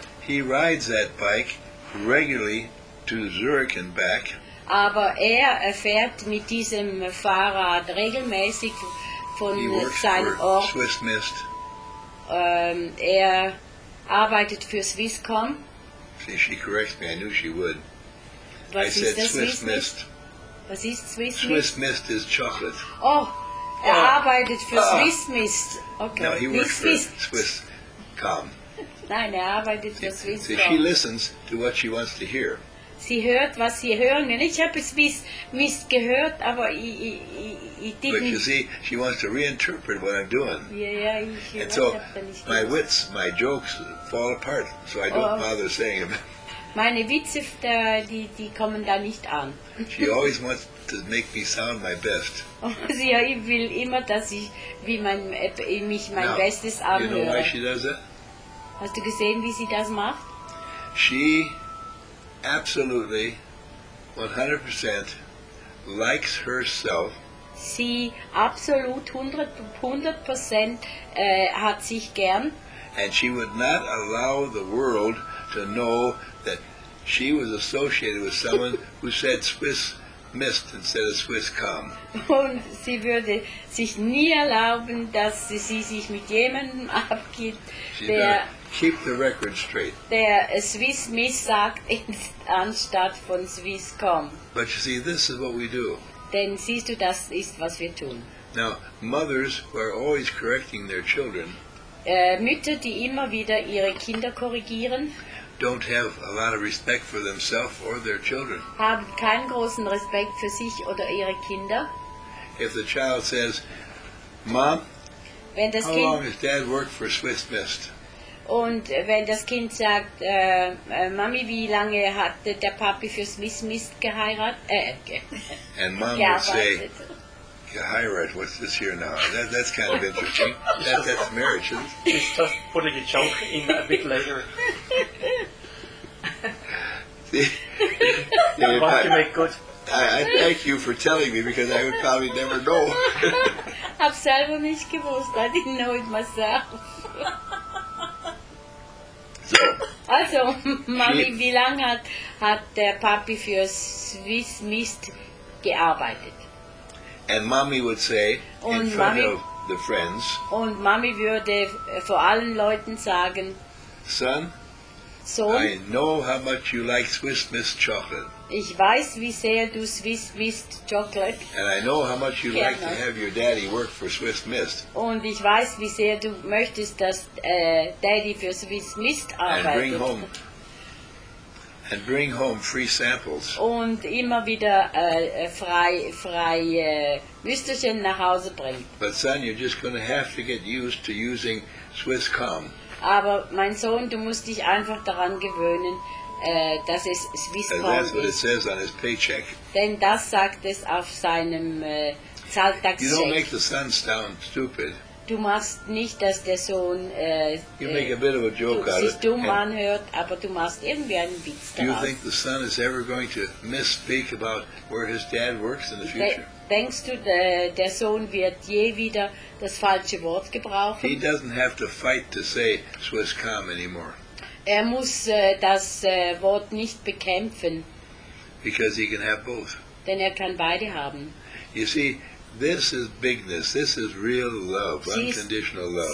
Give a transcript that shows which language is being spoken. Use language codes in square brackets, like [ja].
[en] But he rides that bike regularly to Zurich and back. [de] Aber er fährt mit diesem Fahrrad regelmäßig von seinem Ort. [en] Swiss Mist. [de] Er arbeitet für Swisscom. [en] See, she corrects me. I knew she would. [de] Was [en] I said Swiss Mist. [de] Was ist Swiss Mist? [en] Swiss Mist is chocolate. [de] Oh, er arbeitet für Swiss Mist. Okay. [en] No, he works for Swisscom. [de] Nein, er arbeitet für Swisscom. [en] See, she listens to what she wants to hear. [de] Sie hört, was sie hören will. Ich habe Swiss Mist gehört, aber ich [en] didn't. But you see, she wants to reinterpret what I'm doing. Yeah, and so, my wits, my jokes fall apart, so I don't bother saying them. [de] Meine Witze, die kommen da nicht an. [en] She always wants to make me sound my best. [de] Sie will immer, dass ich mich mein [en] Now, [de] Bestes anhöre. [en] You know why she does that? [de] Hast du gesehen, wie sie das macht? [en] She absolutely, 100% likes herself. [de] Sie absolut 100% hat sich gern. [en] And she would not allow the world to know that she was associated with someone who said Swiss Mist instead of Swisscom. [de] Und sie würde sich nie erlauben, dass sie sich mit jemandem abgibt, [en] keep the record straight. [de] Der Swiss Mist sagt anstatt von Swisscom. [en] But you see, this is what we do. [de] Denn siehst du, das ist, was wir tun. [en] Now, mothers who are always correcting their children. [de] Mütter, die immer wieder ihre Kinder korrigieren. [en] Don't have a lot of respect for themselves or their children. [de] Haben keinen großen Respekt für sich oder ihre Kinder. [en] If the child says, Mom, [de] wenn das [en] how kind long has Dad worked for Swiss Mist? [de] Und wenn das Kind sagt, Mami, wie lange hat der Papi für Swiss Mist geheiratet? [en] And Mom would say, geheiratet, what's this here now? That's kind of interesting. That's marriage, isn't it? He's just putting a joke in a bit later. See, if I make good. I thank you for telling me because I would probably never know. [de] Hab selber nicht gewusst. [en] I didn't know it myself. So, [de] also, Mami, wie lange hat der Papi für Swiss Mist gearbeitet? [en] And Mommy would say in front of the friends. [de] Und Mami würde vor allen Leuten sagen, [en] Son. So, I know how much you like Swiss Mist chocolate. [de] Ich weiß, wie sehr du Swiss Mist chocolate. [en] And I know how much you like to have your daddy work for Swiss Mist. [de] Und ich weiß, wie sehr du möchtest, dass Daddy für Swiss Mist arbeitet. [en] And bring home free samples. [de] Und immer wieder frei Würstchen nach Hause bringt. [en] But son, you're just going to have to get used to using Swisscom. [de] Aber mein Sohn, du musst dich einfach daran gewöhnen, dass es Swisscom ist. [en] That's what it says on his paycheck. [de] Denn das sagt es auf seinem Zahltagscheck. [en] You don't make the son sound stupid. [de] Du machst nicht, dass der Sohn sich dumm anhört, aber du machst irgendwie einen Witz daraus. [en] Do you think the son is ever going to misspeak about where his dad works in the future? [de] denkst du, der Sohn wird je wieder das falsche Wort gebrauchen? [en] He doesn't have to fight to say Swisscom anymore. [de] Er muss das Wort nicht bekämpfen. [en] Because he can have both. [de] Denn er kann beide haben. [en] You see, this is bigness. This is real love, unconditional love.